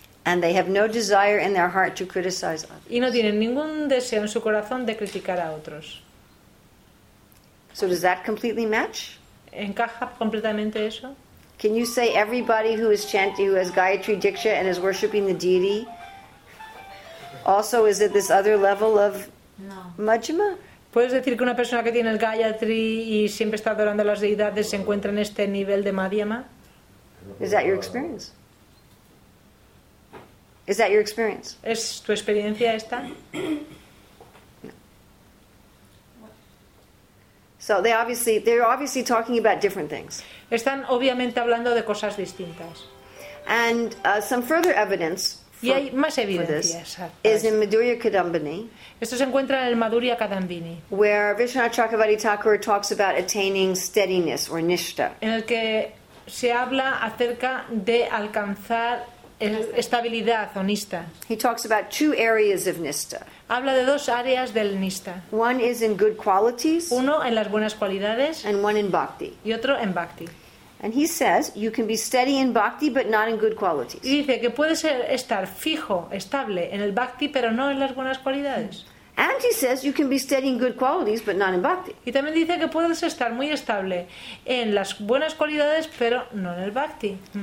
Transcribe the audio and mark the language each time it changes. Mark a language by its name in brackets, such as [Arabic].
[English] And they have no desire in their heart to criticize others. [Spanish] Y no tienen ningún deseo en su corazón de criticar a otros. [English] So does that completely match? [Spanish] ¿Encaja completamente eso? [English] Can you say everybody who is chanting, who has Gayatri Diksha and is worshipping the deity also is at this other level of Majjhima? [Spanish] ¿Puedes decir que una persona que tiene el Gayatri y siempre está adorando a las deidades se encuentra en este nivel de Madhyama? [English] Is that your experience? Is that your experience? [Spanish] ¿Es tu experiencia esta? No. [English] So they're obviously talking about different things. [Spanish] Están obviamente hablando de cosas distintas. [English] And some further evidence. [Spanish] Y hay más evidencias. [English] Is in Madhurya Kadambini. [Spanish] Esto se encuentra en el Madhurya Kadambini. [English] Where Vishwanatha Chakravarti Thakur talks about attaining steadiness or nishta. [Spanish] En el que se habla acerca de alcanzar estabilidad o nista. [English] He talks about two areas of nista. [Spanish] Habla de dos áreas del nista. [English] One is in good qualities. [Spanish] Uno en las buenas cualidades. [English] And one in bhakti. [Spanish] Y otro en bhakti. [English] And he says you can be steady in bhakti but not in good qualities. [Spanish] Y dice que puede ser estar fijo, estable en el bhakti pero no en las buenas cualidades. [English] And he says you can be steady in good qualities but not in bhakti. [Spanish] Y también dice que puedes estar muy estable en las buenas cualidades pero no en el bhakti.